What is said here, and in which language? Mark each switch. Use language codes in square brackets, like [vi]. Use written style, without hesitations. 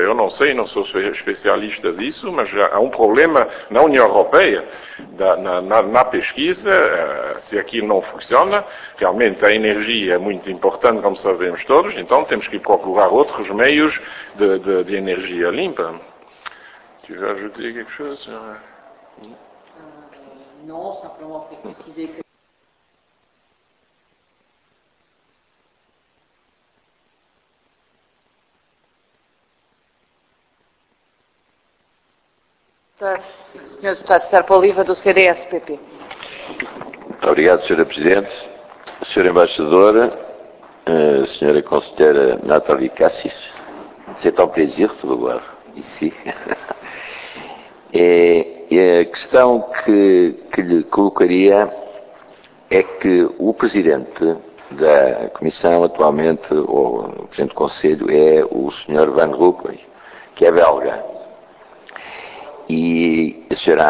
[pt] Eu não sei, não sou especialista disso, mas há um problema na União Europeia, na pesquisa, se aquilo não funciona. Realmente, a energia é muito importante, como sabemos todos, então temos que procurar outros meios de energia limpa. [fr] Tu veux ajouter quelque chose, senhor? Non, simplement pour préciser que... [pt] Senhor deputado Serpa Oliva, do CDS-PP. Muito obrigado, senhora Presidente. Senhora Embaixadora, senhora Conselheira [fr] Nathalie Cassis, c'est un plaisir de vous voir ici. [pt] A questão que lhe colocaria é que o Presidente da Comissão atualmente, ou o Presidente do Conselho, é o Sr. Van Rompuy, que é belga. E a Sra.